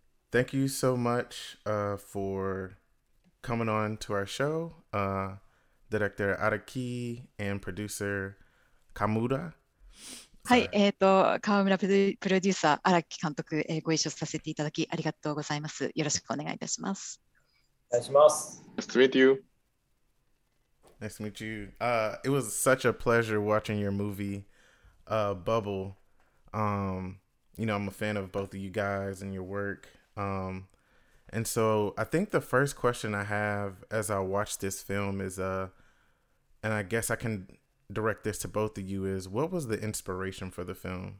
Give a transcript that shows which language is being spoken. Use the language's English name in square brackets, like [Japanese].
[English] Thank you so much for coming on to our show, Director Araki and Producer Kamuda. [Japanese] はい、 [English] Sorry. [Japanese] 川村プロデューサー、荒木監督、ご一緒させていただきありがとうございます。よろしくお願いいたします。お願いします。 [English] Nice to meet you. Nice to meet you. It was such a pleasure watching your movie, Bubble. I'm a fan of both of you guys and your work. And so I think the first question I have as I watch this film is, and I guess I can direct this to both of you, is what was the inspiration for the film?